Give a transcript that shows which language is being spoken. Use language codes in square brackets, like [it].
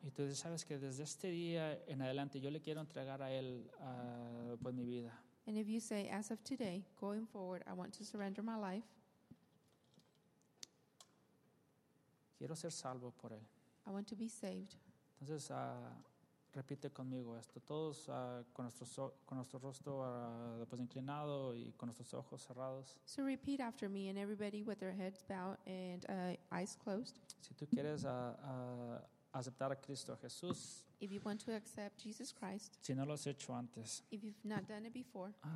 [es] Y tú sabes que desde este día en adelante yo le quiero entregar a él pues mi vida. [en] And if you say as of today going forward I want to surrender my life. [es] Quiero ser salvo por él. [en] I want to be saved. [es] Entonces repite conmigo esto, todos con nuestro rostro pues inclinado y con nuestros ojos cerrados. [en] So repeat after me and everybody with their heads bowed and eyes closed. [es] Si tú quieres aceptar a Cristo Jesús. [en] If you want to accept Jesus Christ. [es] Si no lo has hecho antes. [en] If you've not done it before.